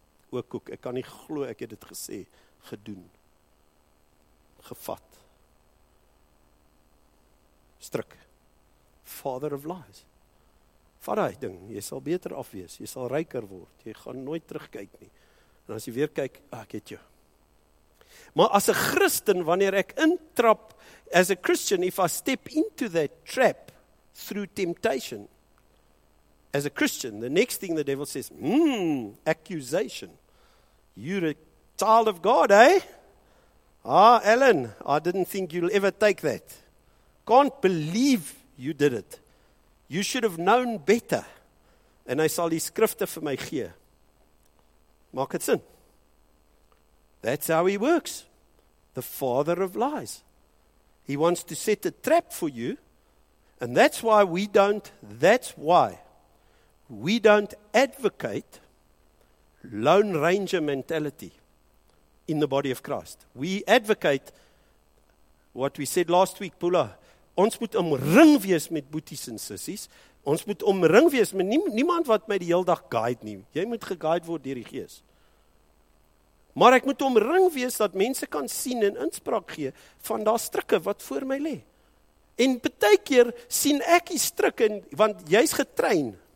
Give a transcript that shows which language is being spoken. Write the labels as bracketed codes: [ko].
[af] Ook koek, ek kan nie glo, ek het dit gesê, gedoen, gevat. Strik, [en] father of lies, [af] vat daai ding, jy sal beter af wees, jy sal ryker word, jy gaan nooit terugkyk nie. En as jy weer kyk, ah, ek het jou. Maar as 'n Christen, wanneer ek intrap, [en] as a Christian, if I step into that trap through temptation, as a Christian, the next thing the devil says, accusation. You're a child of God, eh? Ah, Alan, I didn't think you'll ever take that. Can't believe you did it. You should have known better. [af] En hy sal die skrifte vir my gee. Maak het sin. [en] That's how he works. The father of lies. He wants to set a trap for you. And that's why we don't advocate Lone Ranger mentality in the body of Christ. We advocate what we said last week, Pula. [af] Ons moet omring wees met boeties en sissies. Ons moet omring wees met niemand wat my die hele dag guide nie. Jy moet geguide word deur die Gees. Maar ek moet omring wees dat mense kan sien en inspraak gee van daar strikke wat voor my lê. En baie keer sien ek die strik en want jy's getrein.